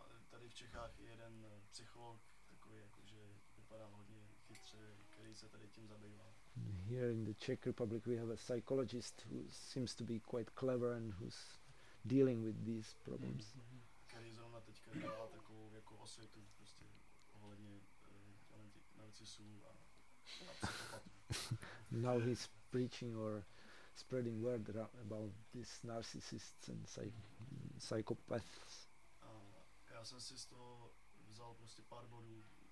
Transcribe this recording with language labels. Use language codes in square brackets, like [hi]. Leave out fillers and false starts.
[cs] Tady v Čechách je jeden psycholog takový, jakože vypadá hodně chytře, který se tady tím zabývá. [en] Here in the Czech Republic we have a psychologist who seems to be quite clever and who's dealing with these problems. [cs] Který zrovna teďka dělá takovou jako osvětu prostě ohledně narcisů a [en] now he's preaching or spreading word about these narcissists and psychopaths. [cs] Já jsem si z toho vzal prostě pár bodů.